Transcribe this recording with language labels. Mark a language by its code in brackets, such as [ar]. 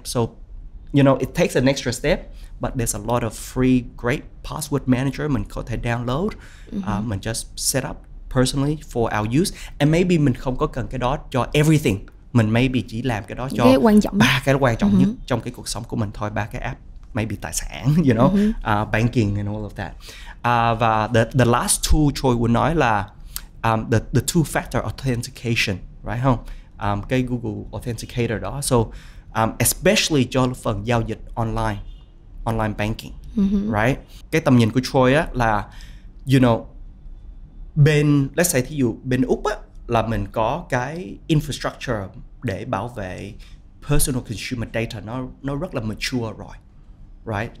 [en] So, you know, it takes an extra step, but there's a lot of free great password manager [vi] mình có thể download, [en] mình just set up personally for our use, and maybe [vi] mình không có cần cái đó cho [en] everything, [vi] mình maybe chỉ làm cái đó cho ba cái quan trọng nhất trong cái cuộc sống của mình thôi, ba cái app, maybe tài sản, you know, [en] banking and all of that. [vi] Và [en] the last tool Troy would nói là the two factor authentication, right? [vi] Không, cái Google Authenticator đó. [en] So especially [vi] cho phần giao dịch online banking, right? Cái tầm nhìn của Troy á là, [en] you know, [vi] bên, let's say thí dụ bên Úc á, là mình có cái infrastructure để bảo vệ personal consumer data nó rất là mature rồi, right?